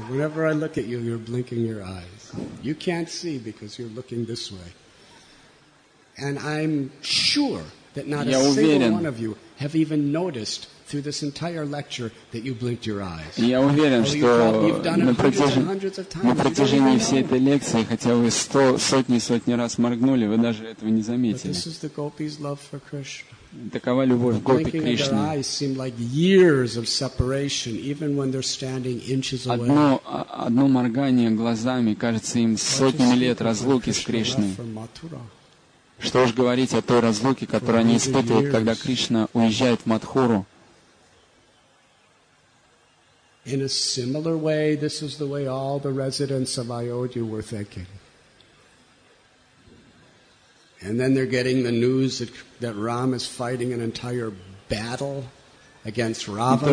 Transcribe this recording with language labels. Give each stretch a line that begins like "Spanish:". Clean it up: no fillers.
English: Whenever I look at you, you're blinking your eyes. You can't see because you're looking this way. And I'm sure that not a single one of you have even noticed through this entire lecture that you blinked your eyes.
Russian: Я уверен, что на протяжении всей этой лекции, хотя вы сотни раз моргнули, вы даже этого не заметили.
English: But this is the gopis' love for Krishna.
Russian: Такова любовь гопи Кришны. Одно моргание глазами кажется им сотнями лет разлуки с Кришной. Что уж говорить о той разлуке, которую они испытывают, когда Кришна уезжает в Матхуру.
English: In a similar way, this is the way all the residents of Ayodhya were thinking. And then they're getting the news that Ram is fighting an entire battle against Ravana.